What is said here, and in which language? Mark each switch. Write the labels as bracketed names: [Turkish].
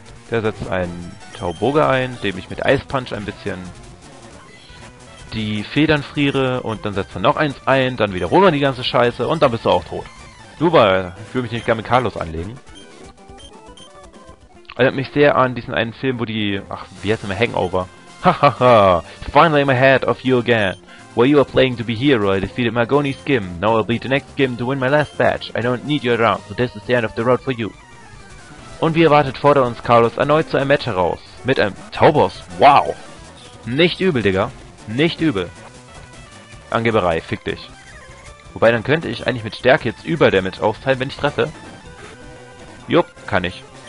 [German] Der setzt einen Tauboga ein, dem ich mit Eispunch ein bisschen die Federn friere. Und dann setzt er noch eins ein, dann wiederholt er die ganze Scheiße und dann bist du auch tot. Super, ich würde mich nicht gerne mit Carlos anlegen. Erinnert mich sehr an diesen einen Film, wo die... Ach, wie heißt der? Hangover. [English] Hahaha, finally I'm ahead of you again. While you are playing to be hero, I defeated Margoni's Gym. Now I'll beat the next Gym to win my last badge. I don't need you around, so this is the end of the road for you. [German] Und wie erwartet fordert uns Carlos erneut zu einem Match heraus. Mit einem Tauboss. Wow. Nicht übel, Digga. Nicht übel. Angeberei, fick dich. Wobei, dann könnte ich eigentlich mit Stärke jetzt Überdamage austeilen, wenn ich treffe. Jupp, kann ich.